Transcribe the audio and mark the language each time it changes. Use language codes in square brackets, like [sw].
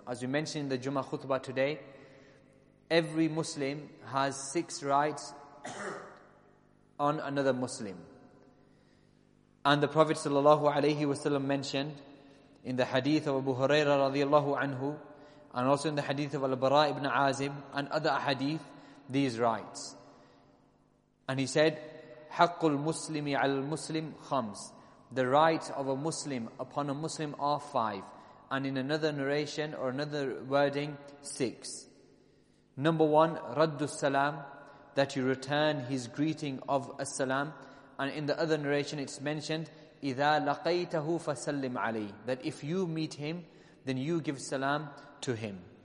[en] As we mentioned in the Jummah khutbah today, every Muslim has six rights on another Muslim. And the Prophet sallallahu alaihi wasallam mentioned in the hadith of Abu Huraira radiallahu anhu, and also in the hadith of Al-Bara ibn Azim and other hadith, these rights. And he said, [ar] حق المسلم على المسلم خمس. [en] The rights of a Muslim upon a Muslim are five. And in another narration or another wording, six. Number one, رد السلام, that you return his greeting of السلام. And in the other narration it's mentioned, [ar] إذا لقيته فسلم علي, [en] that if you meet him, then you give salam to him.